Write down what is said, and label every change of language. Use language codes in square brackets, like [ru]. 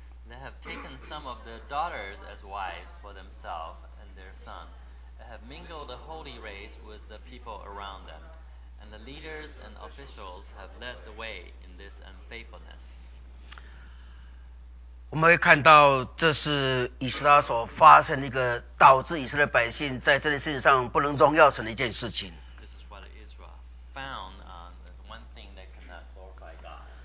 [en] They have taken some of their daughters as wives for themselves and their sons. Have mingled the holy race with the people around them, and the leaders and officials have led the way in this unfaithfulness. [zh] 我们会看到，这是以斯拉所发生一个导致以色列百姓在这件事情上不能荣耀神的一件事情。 [en] This is what Israel found on one thing that cannot glorify God.